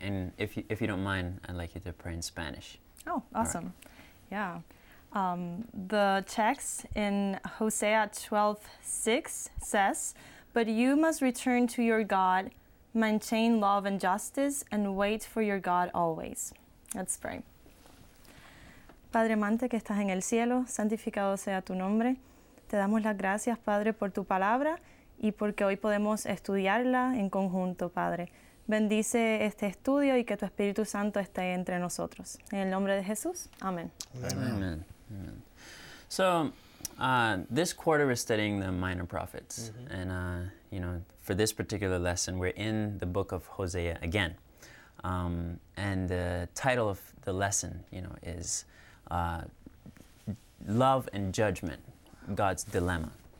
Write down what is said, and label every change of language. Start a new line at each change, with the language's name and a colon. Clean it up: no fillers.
English: And if you don't mind, I'd like you to pray in Spanish. Oh, awesome. Right. Yeah. The text in Hosea 12:6 says, "But you must return to your God, maintain love and justice, and wait for your God always." Let's pray.
Spanish: Padre amante que estás en el cielo, santificado sea tu nombre. Te damos las gracias, Padre, por tu palabra. Y porque hoy podemos estudiarla en conjunto, Padre. Bendice este estudio y que tu Espíritu Santo esté entre nosotros. En el nombre de Jesús. Amén.
English: Amen. Amen. So, this quarter we're studying the minor prophets. Mm-hmm. And, you know, for this particular lesson, we're in the book of Hosea again. And the title of the lesson, you know, is Love and Judgment, God's Dilemma.